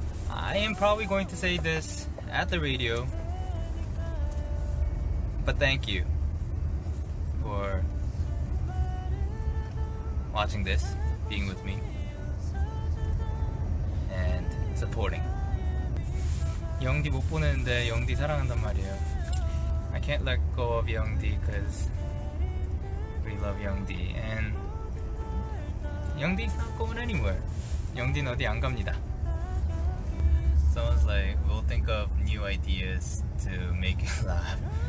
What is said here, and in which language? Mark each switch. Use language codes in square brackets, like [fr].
[en] I am probably going to say this at the radio, but thank you for watching this, being with me, and supporting. [ko] 영디 못 보냈는데 영디 사랑한단 말이에요. [en] I can't let go of 영디 because we love 영디 and 영디's not going anywhere. [ko] 영디는 어디 안 갑니다. [en] Someone's like, we'll think of new ideas to make you laugh.